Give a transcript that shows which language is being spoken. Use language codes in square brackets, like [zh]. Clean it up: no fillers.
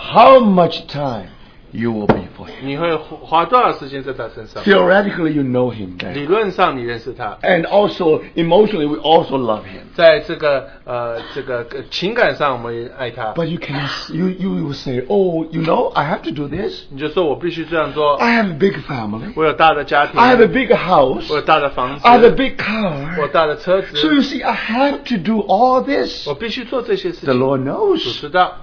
[en] how much time you will be for him. [zh] 你会花多少时间在他身上? [en] Theoretically, you know him. [zh] 理论上你认识他。 [en] And also, emotionally, we also love him. [zh] 在这个情感上我们也爱他。 [en] But you can, you will say, oh, you know, I have to do this. [zh] 你就说我必须这样做。 [en] I have a big family. [zh] 我有大的家庭。 [en] I have a big house. [zh] 我有大的房子。 [en] I have a big car. [zh] 我大的车子。 [en] So you see, I have to do all this. [zh] 我必须做这些事情。 [en] The Lord knows. [zh] 主知道。